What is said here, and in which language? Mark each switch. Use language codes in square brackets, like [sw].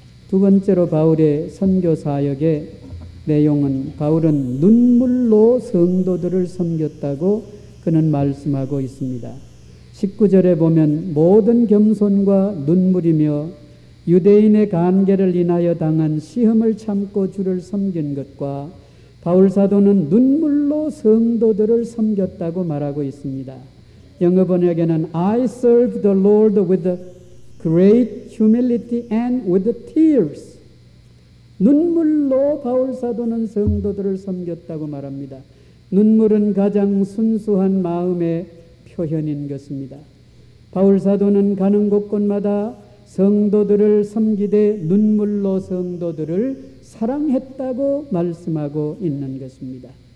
[ko] 두 번째로 바울의 선교사역의 내용은 바울은 눈물로 성도들을 섬겼다고 그는 말씀하고 있습니다. 19절에 보면 모든 겸손과 눈물이며 유대인의 간계를 인하여 당한 시험을 참고 주를 섬긴 것과 바울사도는 눈물로 성도들을 섬겼다고 말하고 있습니다. 영어 번역에는 [en] I serve the Lord with great humility and with tears. [ko] 눈물로 바울사도는 성도들을 섬겼다고 말합니다. 눈물은 가장 순수한 마음의 표현인 것입니다. 바울사도는 가는 곳곳마다 성도들을 섬기되 눈물로 성도들을 사랑했다고 말씀하고 있는 것입니다.